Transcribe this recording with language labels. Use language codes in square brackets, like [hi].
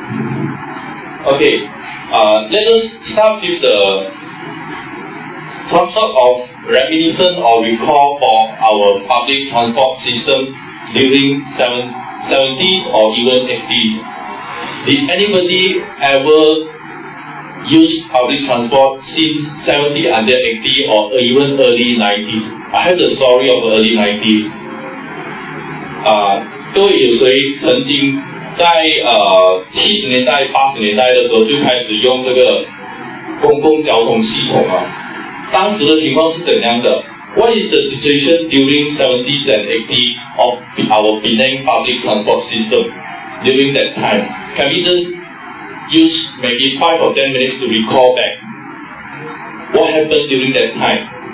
[en] Okay, let us start with the some sort of reminiscence or recall for our public transport system during 70s or even 80s. Did anybody ever use public transport since 70 and then 80 or even early 90s? I have the story of early 90s. [zh] 各位有谁曾经在70年代80年代的时候就开始用这个公共交通系统啊？当时的情况是怎样的？ [en] What is the situation during 70s and 80s of our Penang public transport system during that time? Can we just use maybe 5 or 10 minutes to recall back what happened during that time?